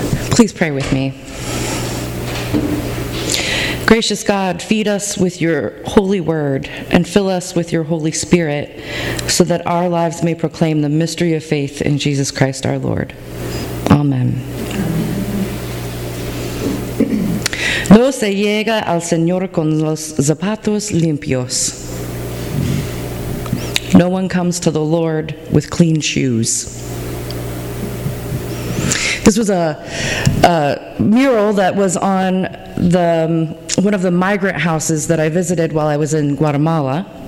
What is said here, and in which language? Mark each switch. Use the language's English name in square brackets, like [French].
[English] Please pray with me. Gracious God, feed us with your holy word and fill us with your Holy Spirit so that our lives may proclaim the mystery of faith in Jesus Christ our Lord. Amen. [Spanish] No se llega al Señor con los zapatos limpios. [English] No one comes to the Lord with clean shoes. This was a mural that was on the one of the migrant houses that I visited while I was in Guatemala.